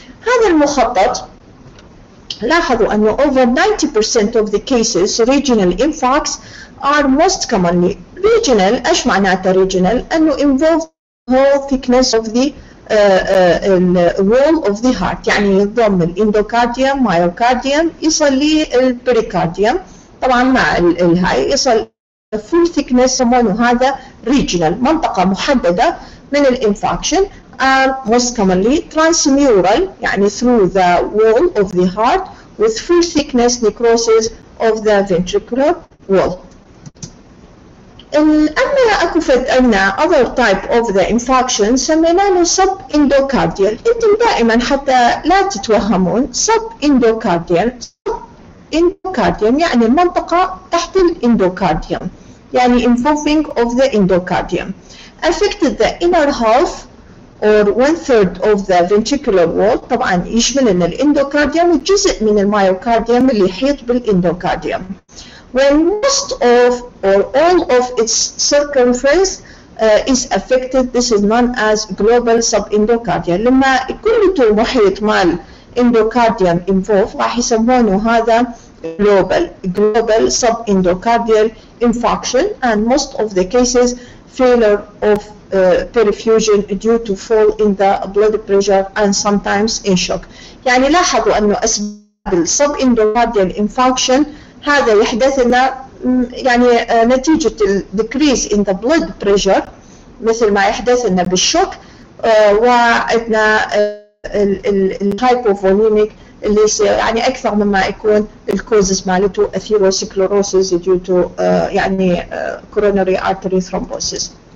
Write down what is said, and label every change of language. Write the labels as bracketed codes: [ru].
[ar] هذا المخطط لاحظوا أنه [en] over 90% of the cases regional infarcts are most commonly regional. [ar] إيش معناته [en] regional؟ أنه involve whole thickness of the [ar] الوول اوف ذا هارت، يعني يضم الاندوكارديوم مايوكارديوم يصل للبريكارديوم، طبعا مع الهاي يصل فول ثيكنس يسمونه هذا ريجنال، منطقه محدده من الانفاكشن. [en] And most commonly transmural, يعني through the wall of the heart with full thickness necrosis of the ventricular wall. [ar] أما أكفت أن [en] other type of the infarction [ar] سمينا له sub-endocardial. أنتم دائما حتى لا تتوهمون sub-endocardial. Endocardium يعني منطقة تحت الاندوكارديوم، يعني [en] involving of the endocardium. Affected the inner half or one third of the ventricular wall. [ar] طبعا يشمل ان الاندوكارديوم جزء من الميوكارديوم اللي يحيط بالاندوكارديوم. [en] When most of or all of its circumference is affected, this is known as global subendocardial. [ar] لما كل محيط مال اندوكارديوم انفولف راح يسمونه هذا [en] global subendocardial infarction. And most of the cases failure of perfusion due to fall in the blood pressure and sometimes in shock. [ar] يعني لاحظوا أنه أسباب subendocardial infarction هذا يحدث لنا يعني نتيجة [en] decrease in the blood pressure [ar] مثل ما يحدث لنا بالشوك وعندنا الhypovolemic اللي يعني أكثر مما يكون causes مالته atherosclerosis due to يعني [en] coronary artery thrombosis.